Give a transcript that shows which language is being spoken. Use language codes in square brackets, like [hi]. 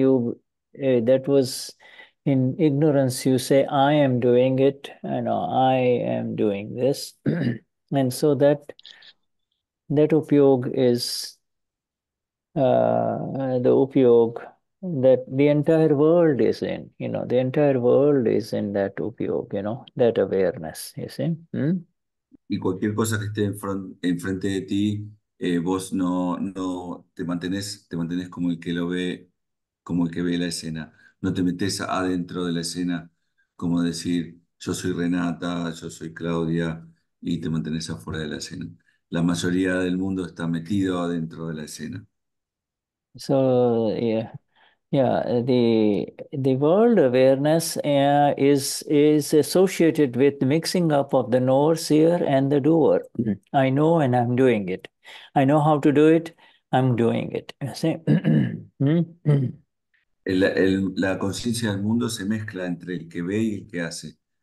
[en] You that was in ignorance, you say, I am doing it, you know, I am doing this. And so that upayoga is the upayoga that the entire world is in, you know, the entire world is in that upayoga, you know, that awareness, you see. [es] Y cualquier cosa que esté enfrente de ti, vos no te mantenés como el que lo ve, como el que ve la escena. No te metes adentro de la escena, como decir, yo soy Renata, yo soy Claudia, y te mantenés afuera de la escena. La mayoría del mundo está metido adentro de la escena. [en] So, yeah, the world awareness is associated with the mixing up of the knower, seer, and the doer. I know and I'm doing it. I know how to do it, I'm doing it. See? [es] La conciencia del mundo se mezcla entre el que ve y el que hace.